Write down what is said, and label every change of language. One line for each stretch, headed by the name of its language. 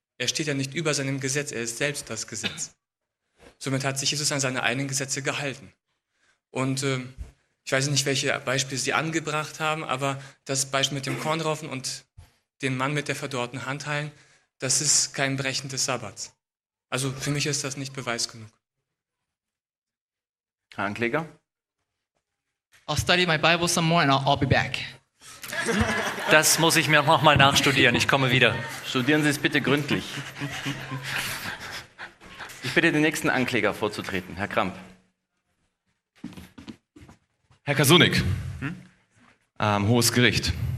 German: Er steht ja nicht über seinem Gesetz, er ist selbst das Gesetz. Somit hat sich Jesus an seine eigenen Gesetze gehalten. Und ich weiß nicht, welche Beispiele Sie angebracht haben, aber das Beispiel mit dem Kornraufen und den Mann mit der verdorrten Hand heilen, das ist kein Brechen des Sabbats. Also für mich ist das nicht Beweis genug. Herr Ankläger?
English: I'll study my Bible some more and I'll be back.
German: Das muss ich mir noch mal nachstudieren, ich komme wieder. Studieren Sie es bitte gründlich. Ich bitte den nächsten Ankläger vorzutreten, Herr Kramp. Herr Kasunik, hohes Gericht.